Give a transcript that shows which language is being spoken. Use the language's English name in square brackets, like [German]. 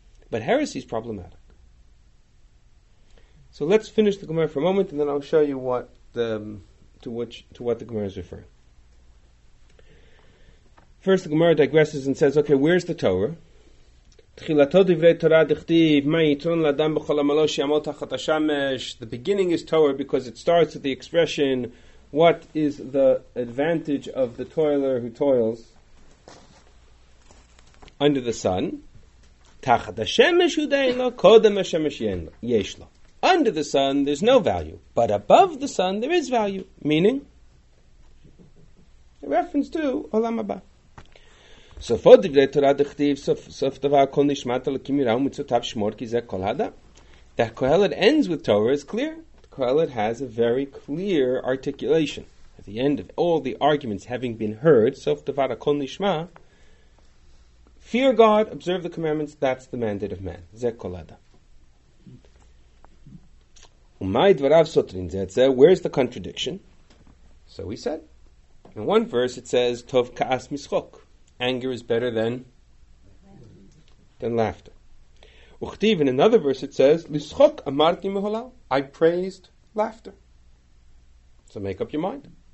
[English] But heresy is problematic. So let's finish the Gemara for a moment and then I'll show you what the Gemara is referring. First, the Gemara digresses and says, okay, where's the Torah? [Hebrew] תחילתו דברי תורה דכתיב, מה יתרון לאדם בכל עמלו שיעמול תחת השמש. [English] The beginning is Torah because it starts with the expression, what is the advantage of the toiler who toils under the sun? [Hebrew] תחת השמש הוא דיין לו, קודם השמש יש לו. [English] Under the sun, there's no value. But above the sun, there is value. Meaning, a reference to Olam Haba. [Hebrew] סופו דברי תורה דכתיב, סוף דבר כל נשמת אלוקים יראה ומצותיו שמור כי זה כל האדם. [English] The Kohelet ends with Torah is clear. The Kohelet has a very clear articulation. At the end of all the arguments having been heard, [Hebrew] סוף דבר הכל נשמע, [English] fear God, observe the commandments, that's the mandate of man. [Hebrew] זה כל האדם. ומאי דבריו סותרים זה את זה, [English] where's the contradiction? So we said. In one verse it says, [Hebrew] טוב כעס משחוק. [English] Anger is better than laughter. Uchtiv, in another verse it says, Lishok amarti meholal, I praised laughter. So make up your mind.